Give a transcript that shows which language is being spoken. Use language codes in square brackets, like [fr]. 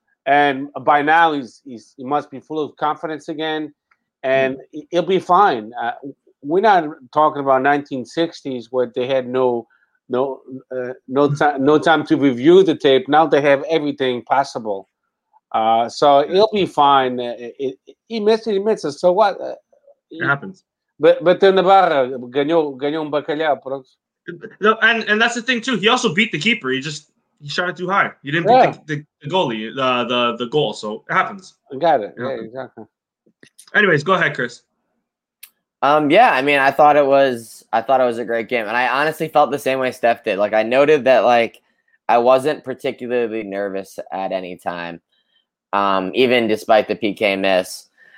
[en] And by now, he must be full of confidence again, and he'll be fine. We're not talking about 1960s where they had no time to review the tape. Now they have everything possible, so he'll be fine. He misses. So what? It happens. But then [pt] Navarra ganhou um bacalhau, pronto. [en] And that's the thing too. He also beat the keeper. He shot it too high. You didn't beat the goalie, the goal. So it happens. Got it. Yeah, exactly. Anyways, go ahead, Chris. I thought it was a great game, and I honestly felt the same way Steph did. Like, I noted that, like, I wasn't particularly nervous at any time, even despite the PK miss.